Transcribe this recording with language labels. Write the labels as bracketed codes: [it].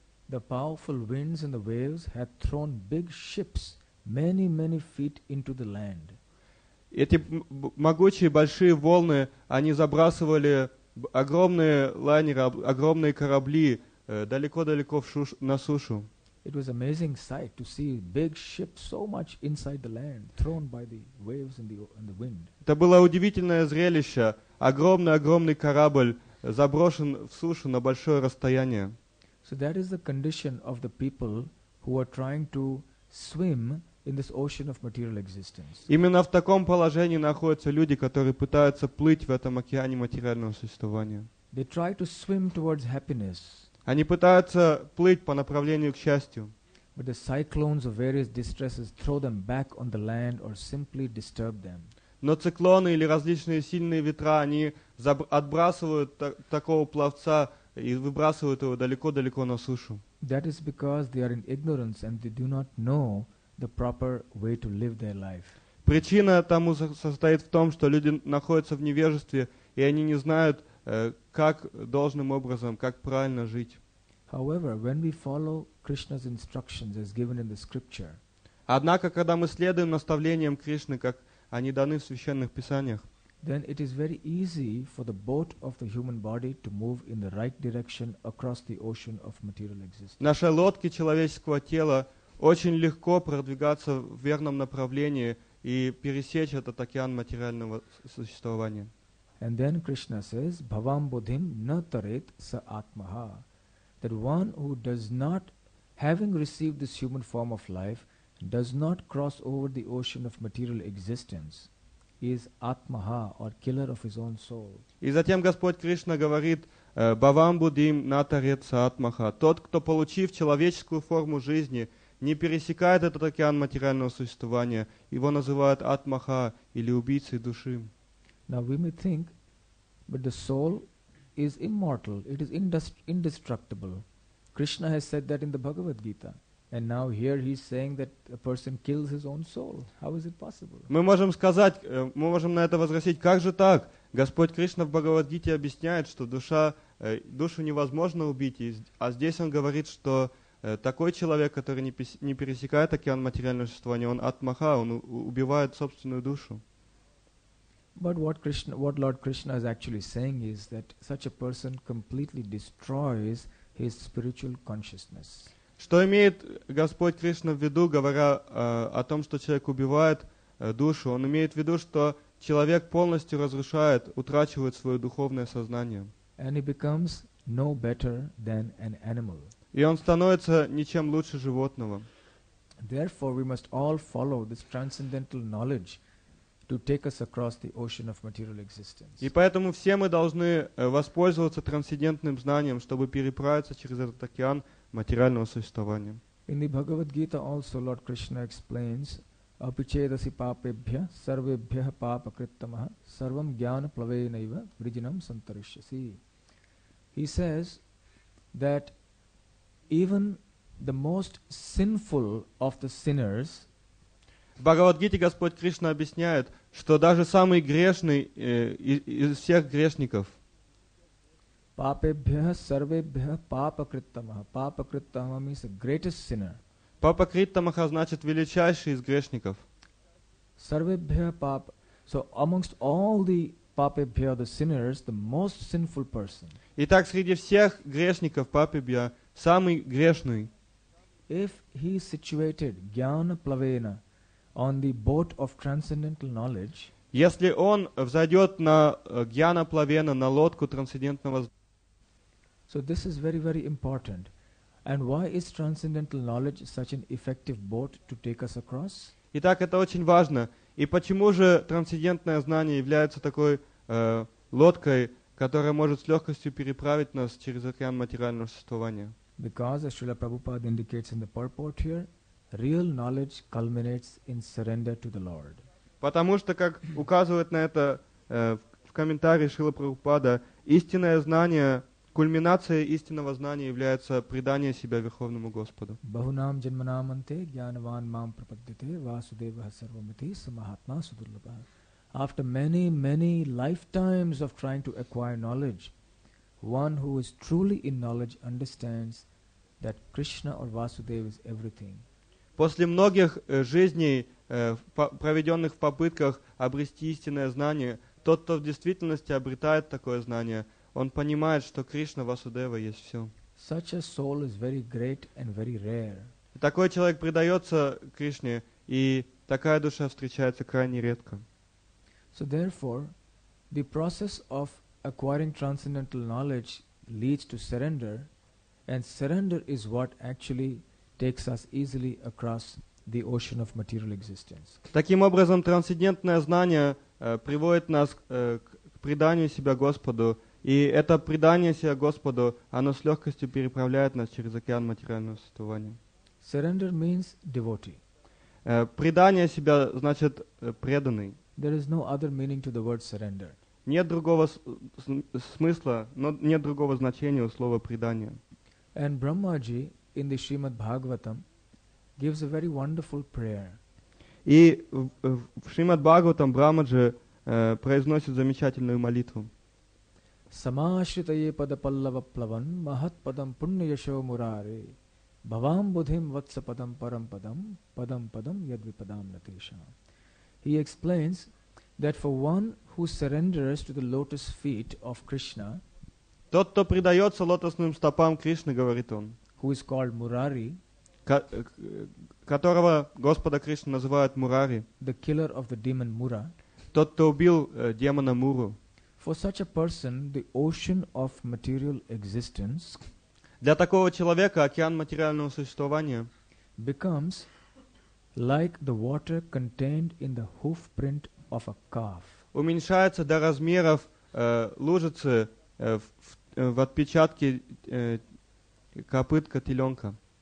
[en] The powerful winds and the waves had thrown big ships many, many feet into the land. [ru] Эти могучие большие волны, они забрасывали огромные лайнеры, огромные корабли далеко-далеко на сушу. [en] It was amazing sight to see big ships so much inside the land, thrown by the waves and the wind. [ru] Это было удивительное зрелище. Огромный-огромный корабль заброшен в сушу на большое расстояние. [en] So that is the condition of the people who are trying to swim in this ocean of material existence. [ru] Именно в таком положении находятся люди, которые пытаются плыть в этом океане материального существования. [en] They try to swim towards happiness. [ru] Они пытаются плыть по направлению к счастью. [en] But the cyclones of various distresses throw them back on the land or simply disturb them. [ru] Но циклоны или различные сильные ветра, они отбрасывают такого пловца и выбрасывают его далеко-далеко на сушу. [en] That is because they are in ignorance and they do not know the proper way to live their life. [ru] Причина тому состоит в том, что люди находятся в невежестве, и они не знают, как должным образом, как правильно жить. [en] However, when we follow Krishna's instructions as given in the scripture, [ru] однако, когда мы следуем наставлениям Кришны, как они даны в священных писаниях, [en] then it is very easy for the boat of the human body to move in the right direction across the ocean of material existence. [ru] Наши лодки человеческого тела очень легко продвигаться в верном направлении и пересечь этот океан материального существования. [en] And then Krishna says, [sa] Bhavam buddhim na tarit sa atmaha, [en] that one who does not, having received this human form of life, does not cross over the ocean of material existence, is atmaha, or killer of his own soul. [ru] И затем Господь Кришна говорит, [sa] Bhavam buddhim na tarit sa atmaha, [ru] тот, кто, получив человеческую форму жизни, не пересекает этот океан материального существования, его называют атмаха или убийцей души. [en] Now we may think, but the soul is immortal, it is indestructible. Krishna has said that in the Bhagavad Gita, And now here he's saying that a person kills his own soul. How is it possible? [ru] Мы можем сказать, мы можем на это возразить, как же так? Господь Кришна в Бхагавад-гите объясняет, что душа, душу невозможно убить, а здесь он говорит, что такой человек, который не пересекает океан материального существования, он атмаха, он убивает собственную душу. [en] But what Krishna, what Lord Krishna is actually saying is that such a person completely destroys his spiritual consciousness. [ru] Что имеет Господь Кришна в виду, говоря о том, что человек убивает душу? Он имеет в виду, что человек полностью разрушает, утрачивает свое духовное сознание. [en] And he becomes no better than an animal. [ru] И он становится ничем лучше животного. [en] Therefore, we must all follow this transcendental knowledge to take us across the ocean of material existence. [ru] И поэтому все мы должны воспользоваться трансцендентным знанием, чтобы переправиться через этот океан материального существования. [en] In the Bhagavad Gita also Lord Krishna explains [sa] apichedasi papebhya sarvebhya papakrittamah sarvam gyan plaveinaiva vrijinam santarishyasi. [en] He says that even the most sinful of the sinners, [ru] в Бхагавад-гите Господь Кришна объясняет, что даже самый грешный из всех грешников, [sa] папебхя сарвебхя папакриттамах, [en] папакриттамах means the greatest sinner. [ru] Папакриттамах значит величайший из грешников. [sa] Сарвебхя пап. [en] So amongst all the папебхя, the sinners, the most sinful person. [ru] Итак, среди всех грешников папебхя самый грешный. [en] If he is situated [sa] gyana plavena [en] on the boat of transcendental knowledge, [ru] если он взойдет на [sa] гьяна плавена, [ru] на лодку трансцендентного [en] So this is very, very important. And why is transcendental knowledge such an effective boat to take us across? [ru] Итак, это очень важно. И почему же трансцендентное знание является такой лодкой, которая может с легкостью переправить нас через океан материального существования? [en] Because, as Srila Prabhupada indicates in the purport here, real knowledge culminates in surrender to the Lord. [ru] Потому что, как указывает на это в комментарии Шрила Прабхупада, истинное знание, кульминация истинного знания является предание себя Верховному Господу. [sa] Бахунам джанманаманте гьянаван мам прападите васудева сарвамити самахатма судурлабха. [en] After many, many lifetimes of trying to acquire knowledge, one who is truly in knowledge understands that Krishna or Vasudeva is everything. [ru] После многих жизней, проведенных в попытках обрести истинное знание, тот, кто в действительности обретает такое знание, он понимает, что Кришна, Васудева есть все. [en] Such a soul is very great and very rare. [ru] Такой человек предается Кришне, и такая душа встречается крайне редко. [en] So therefore, the process of acquiring transcendental knowledge leads to surrender, and surrender is what actually takes us easily across the ocean of material existence. [ru] Таким образом, трансцендентное знание приводит нас к преданию себя Господу, и это предание себя Господу, оно с легкостью переправляет нас через океан материального существования. [en] Surrender means devotee. [ru] Предание себя значит преданный. [en] There is no other meaning to the word surrender. [ru] Нет другого смысла, но нет другого значения у слова предание. [en] And Brahmaji in the Srimad Bhagavatam gives a very wonderful prayer. [ru] И в Шримад Бхагаватам Брахмаджи произносит замечательную молитву. [sa] Самашритае падапаллава плаван махатпадам пунньяшо мурари бхавам будхим ватсападам парам падам падам падам ядвипадам натешам. [en] He explains that for one who surrenders to the lotus feet of Krishna, [ru] тот, кто предается лотосным стопам Кришны, говорит он, [en] who is called Murari, [ru] которого Господа Кришна называют Мурари, [en] the killer of the demon Mura, [ru] тот, кто убил демона Муру, [en] for such a person, the ocean of material existence, [ru] для такого человека океан материального существования [en] becomes like the water contained in the hoof print of a calf. [ru] Уменьшается до размеров лужицы в отпечатке копыт котеленка.